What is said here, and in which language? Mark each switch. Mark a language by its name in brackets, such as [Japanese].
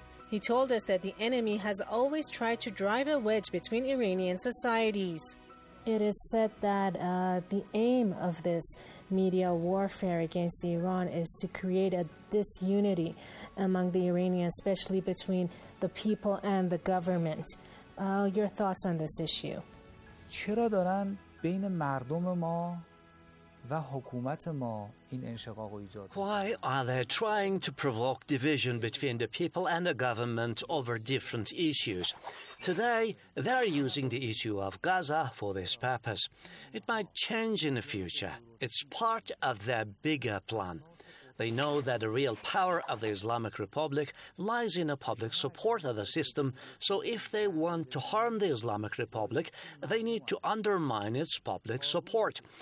[English] He told us that the enemy has always tried to drive a wedge between Iranian societies. It is said that the aim of this media warfare against Iran is to create a disunity among the Iranians, especially between the people and the government. Your thoughts on this issue? [Persian] چرا دارن بین مردم ما و حکومت ما این انشقاق رو ایجاد [English] Why are they trying to provoke division between the people and the government over different issues? Today, they are using the issue of Gaza for this purpose. It might change in the future. It's part of their bigger plan. They know that the real power of the Islamic Republic lies in the public support of the system, so if they want to harm the Islamic Republic, they need to undermine its public support.